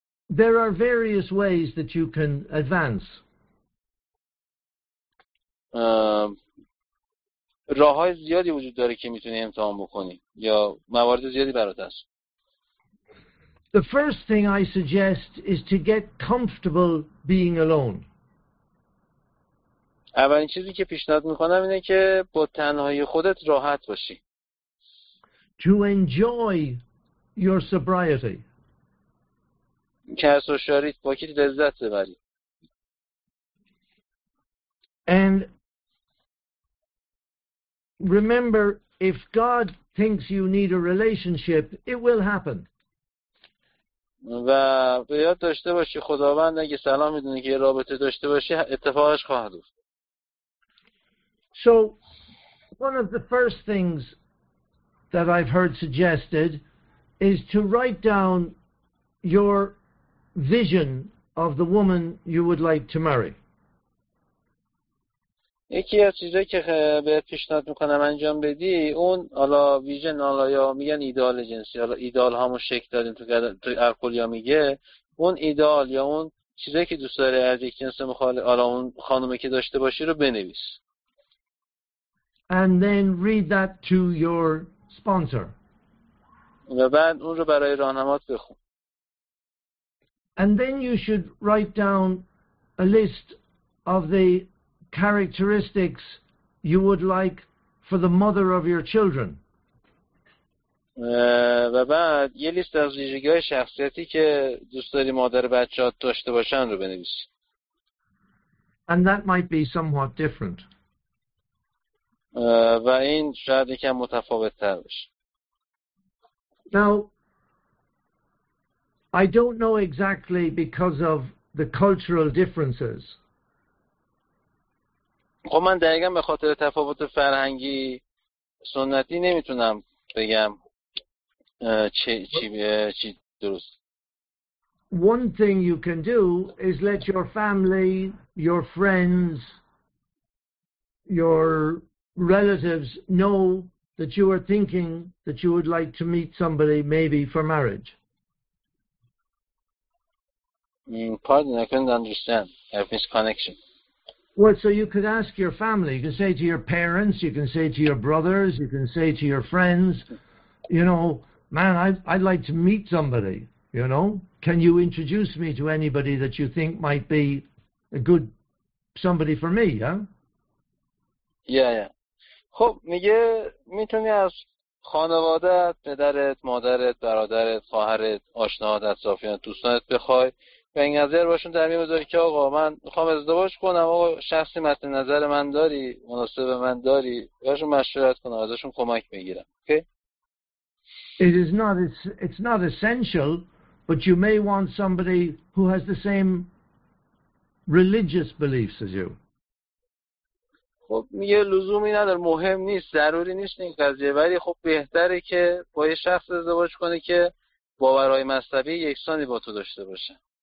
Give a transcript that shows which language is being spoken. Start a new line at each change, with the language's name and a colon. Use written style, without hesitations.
English: There are various ways that you can advance.
Persian: راه‌های زیادی وجود داره که میتونی امتحان بکنی یا موارد زیادی برات هست.
English: The first thing I suggest is to get comfortable being alone.
Persian: اولین چیزی که پیشنهاد می‌کنم اینه که با تنهایی خودت راحت باشی.
English: To enjoy your sobriety.
Persian: که از هوشیاریت باکیت لذت ببری.
English: And remember, if God thinks you need a relationship, it will happen.
Persian: و به یاد داشته باشی خداوند اگه سلام میدونه که یه رابطه داشته باشی اتفاقش خواهد افتاد.
English: So, one of the first things that I've heard suggested is to write down your vision of the woman you would like to marry.
Persian: یکی از چیزایی که بهت پیشنهاد میکنم انجام بدی اون حالا ویژن حالا یا میگن ایدال جنسی حالا ایدال همون شکل دادیم تو ارکولیا میگه اون ایدال یا اون چیزایی که دوست داره از یک جنس مخالف حالا اون خانومه که داشته باشی رو بنویس
English: and then read that to your sponsor.
Persian: و بعد اون رو برای راهنمات بخون
English: and then you should write down a list of the characteristics you would like for the mother of your children.
Persian: و بعد یه لیست از ویژگی‌های شخصیتی که دوست داری مادر بچه‌ات داشته باشن رو بنویس.
English: And that might be somewhat different.
Persian: و این شاید یکم متفاوت‌تر باشه.
English: Now, I don't know exactly because of the cultural differences.
Persian: خب من دقیقا به خاطر تفاوت فرهنگی سنتی نمیتونم بگم چی درست.
English: One thing you can do is let your family, your friends, your relatives know that you are thinking that you would like to meet somebody maybe for marriage. Pardon, I couldn't understand. I have missed connection. Well, so you could ask your family, you can say to your parents, you can say to your brothers, you can say to your friends, you know, man, I'd like to meet somebody, you know. Can you introduce me to anybody that you think might be a good somebody for me, huh? Yeah.
Persian: خب میگه میتونی از خانوادت، پدرت، مادرت، برادرت، خواهرت، آشناهات، اطرافیان، دوستانت بخوای، و این نظر باشون در میذاری که آقا من میخوام ازدواج کنم، آقا شخصی مثل نظر من داری، مناسب من داری، باشون مشورت کنم، ازشون کمک میگیرم.
English: Okay? It's not essential, but you may want somebody who has the same religious beliefs as you.
Persian: خب میگه لزومی نداره، مهم نیست، ضروری نیست این قضیه، ولی خب بهتره که با یه شخص ازدواج کنی که باورهای مذهبی یکسانی با تو داشته باشه.